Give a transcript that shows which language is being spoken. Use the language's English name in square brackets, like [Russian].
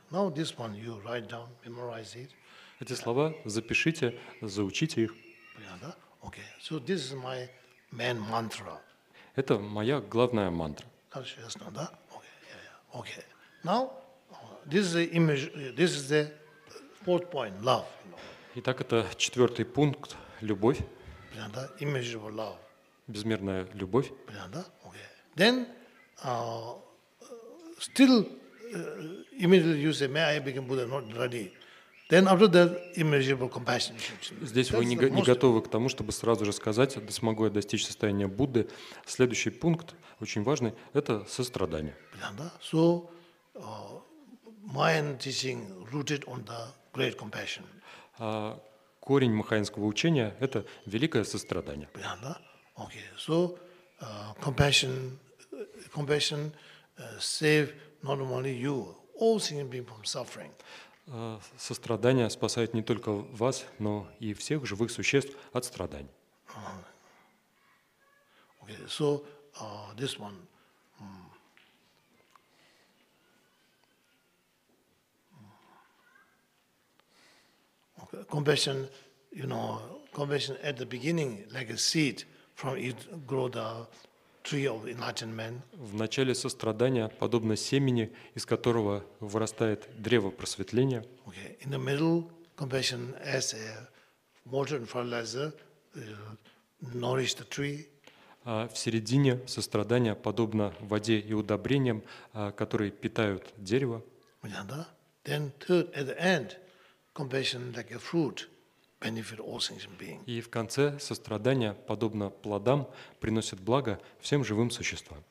[English] Now this one you write down, memorize it. [Russian] Эти слова запишите, заучите их. [English] Okay. So this is my main mantra. [Russian] Это моя главная мантра. Хорошо, ясно, да? [English] Okay. Now, this is the image. This is the fourth point, love. [Russian] Итак, это четвертый пункт, любовь. [English] Да, image of love. [Russian] Безмерная любовь. Да, okay. [English] Then, still, immediately you say, may I become Buddha? Not ready. Then after that, immeasurable compassion. [Russian] Здесь вы не готовы к тому, чтобы сразу же сказать, смогу я достичь состояния Будды. Следующий пункт, очень важный, это сострадание. [English] So, Mahayana teaching rooted on the great compassion. [Russian] Корень махаянского учения – это великое сострадание. [English] Okay. So, compassion save not only you, all sentient beings from suffering. [Russian] Сострадание спасает не только вас, но и всех живых существ от страданий. [English] Okay, so this one. Okay, compassion, you know, compassion at the beginning, like a seed, from it grow the tree of enlightenment. [Russian] В начале сострадания подобно семени, из которого вырастает древо просветления. [English] Okay. In the middle, compassion as a mortar and fertilizer nourish the tree. [Russian] А в середине сострадание подобно воде и удобрениям, которые питают дерево. [English] Then third, at the end, compassion like a fruit. Benefit all sentient beings. [Russian] И в конце сострадание, подобно плодам, приносит благо всем живым существам.